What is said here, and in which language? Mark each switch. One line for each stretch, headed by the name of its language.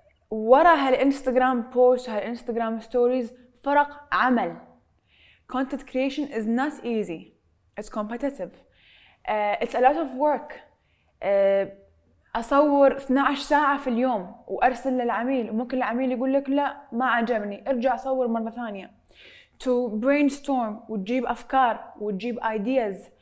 Arabic: ورا هالإنستغرام بوست هالإنستغرام ستوريز فرق عمل.
English: Content creation is not easy. It's competitive. It's a lot of work.
Arabic: أصور 12 ساعة في اليوم وأرسل للعميل، وممكن العميل يقول لك لا ما عجبني، ارجع صور مرة ثانية.
English: To brainstorm
Arabic: وتجيب أفكار وتجيب ideas.